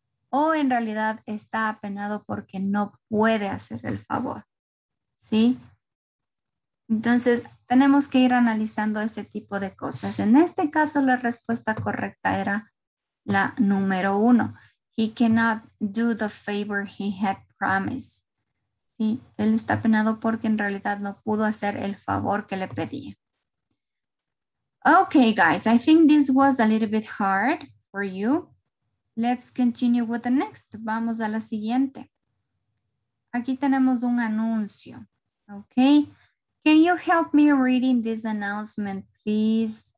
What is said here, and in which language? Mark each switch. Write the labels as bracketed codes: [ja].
[es] ¿O en realidad está apenado porque no puede hacer el favor? ¿Sí? Entonces, tenemos que ir analizando ese tipo de cosas. En este caso, la respuesta correcta era la número uno. [en] He cannot do the favor he had promised. [es] ¿Sí? Él está apenado porque en realidad no pudo hacer el favor que le pedía. [en] Okay, guys, I think this was a little bit hard for you. Let's continue with the next. [es] Vamos a la siguiente. Aquí tenemos un anuncio. [en] Okay. Can you help me reading this announcement, please?